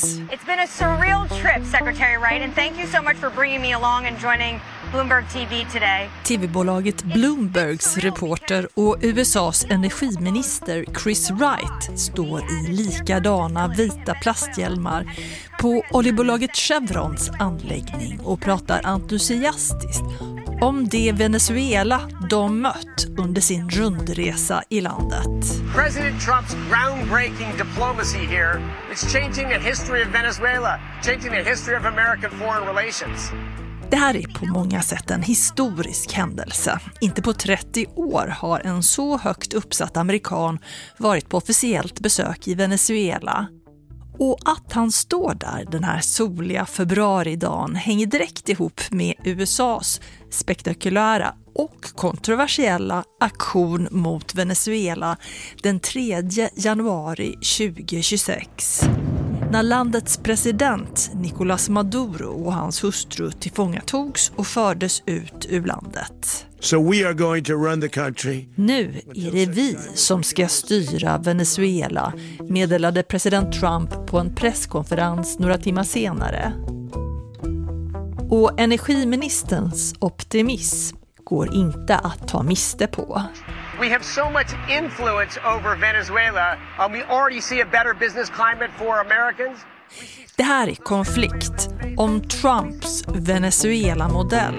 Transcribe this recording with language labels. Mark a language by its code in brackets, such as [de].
[en] It's been a surreal trip, Secretary Wright, and thank you so much for bringing me along and joining Bloomberg TV today. [sv] TV-bolaget Bloombergs reporter och USA:s energiminister Chris Wright står i likadana vita plasthjälmar på oljebolaget Chevrons anläggning och pratar entusiastiskt om det Venezuela de mött under sin rundresa i landet. [en] President Trump's groundbreaking diplomacy here is changing the history of Venezuela, changing the history of American foreign relations. [sv] Det här är på många sätt en historisk händelse. Inte på 30 år har en så högt uppsatt amerikan varit på officiellt besök i Venezuela. Och att han står där den här soliga februaridagen hänger direkt ihop med USA:s spektakulära och kontroversiella aktion mot Venezuela den 3 januari 2026. När landets president Nicolás Maduro och hans hustru tillfångatogs och fördes ut ur landet. [en] So we are going to run the country. [sv] Nu är det vi som ska styra Venezuela, meddelade president Trump på en presskonferens några timmar senare. Och energiministerns optimism går inte att ta miste på. [en] We have so much influence over Venezuela, and we already see a better business climate for Americans. [sv] Det här är konflikt om Trumps Venezuela-modell.